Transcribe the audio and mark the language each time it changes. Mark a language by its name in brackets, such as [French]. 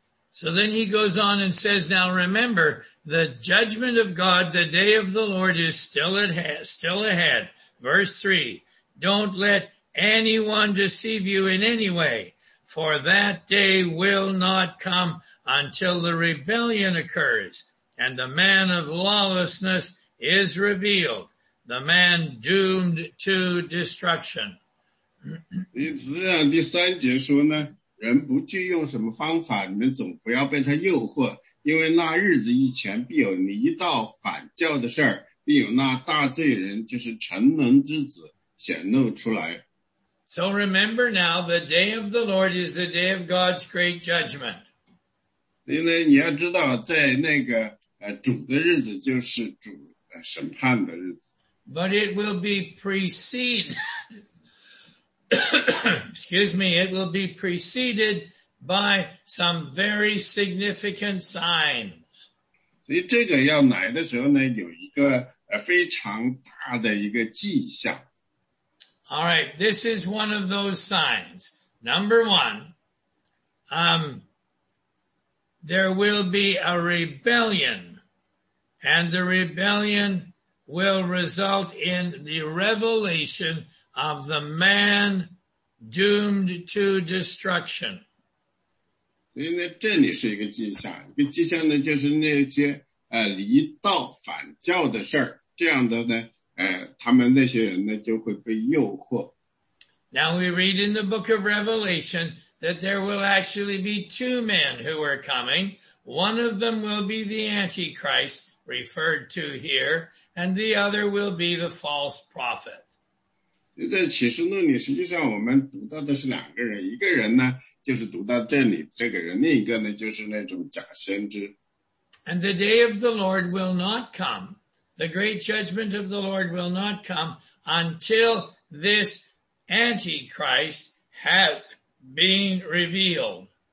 [English] So then he goes on and says, now remember, the judgment of God, the day of the Lord is still ahead. Verse 3, don't let anyone deceive you in any way, for that day will not come until the rebellion occurs, and the man of lawlessness is revealed, the man doomed to destruction. [Chinese] 第三节说呢，人不惧用什么方法，你们总不要被他诱惑，因为那日子以前必有离道反教的事儿，必有那大罪人，就是沉沦之子显露出来。 [English] So remember now, the day of the Lord is the day of God's great judgment. [Chinese] 因为你要知道，在那个主的日子就是主审判的日子。 [English] But it will be preceded. Excuse me, it will be preceded by some very significant signs. [Chinese] 所以这个要来的时候呢，有一个非常大的一个迹象。 [English] All right, this is one of those signs. Number one, there will be a rebellion, and the rebellion will result in the revelation of the man doomed to destruction. [Chinese] 所以呢，这里是一个迹象，一个迹象呢，就是那些离道反教的事儿，这样的呢，他们那些人呢就会被诱惑。 [English] Now we read in the book of Revelation that there will actually be two men who are coming. One of them will be the Antichrist referred to here, and the other will be the false prophet. [Chinese] 在启示录里，实际上我们读到的是两个人，一个人呢就是读到这里这个人，另一个呢就是那种假先知。 [English] And the day of the Lord will not come. The great judgment of the Lord will not come until this Antichrist has been revealed.